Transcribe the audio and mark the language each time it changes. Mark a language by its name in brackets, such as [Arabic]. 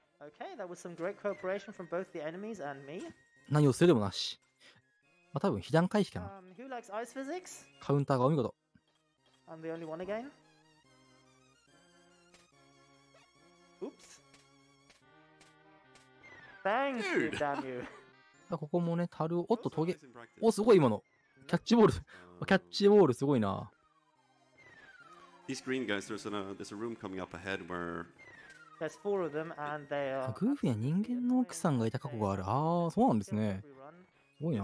[English] Okay, that was some great cooperation from both the enemies and me. [Japanese] 何をするでもなし。まあ、多分被弾回避かな。 [English] Who likes ice physics? [Japanese] カウンターがお見事。 [English] I'm the only one again. Oops. Thank you, damn you. [Japanese] ここもね、タルを、おっとトゲ。お、すごい今の。キャッチボール。キャッチボールすごいな。 [English] These green guys, there's a room coming up ahead where... There's four of them, and they are... [Japanese] グーフィーは人間の奥さんがいた過去がある。ああ、そうなんですね。すごいな。